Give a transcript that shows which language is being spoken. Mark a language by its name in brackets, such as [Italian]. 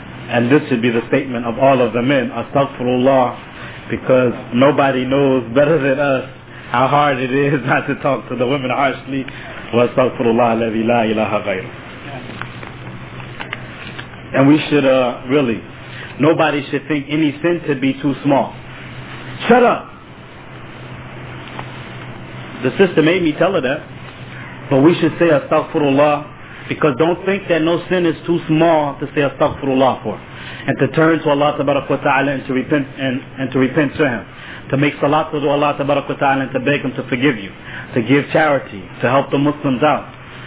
[English] And this should be the statement of all of the men. Astaghfirullah, because nobody knows better than us how hard it is not to talk to the women harshly. [Arabic] Astaghfirullah, الذي لا إله غيره. [English] And we should really, nobody should think any sin to be too small. Shut up. The sister made me tell her that. But we should say astaghfirullah, because don't think that no sin is too small to say astaghfirullah for, and to turn to Allah tabarak wa ta'ala and to repent, and to repent to Him, to make salat to Allah tabarak wa ta'ala and to beg Him to forgive you, to give charity, to help the Muslims out.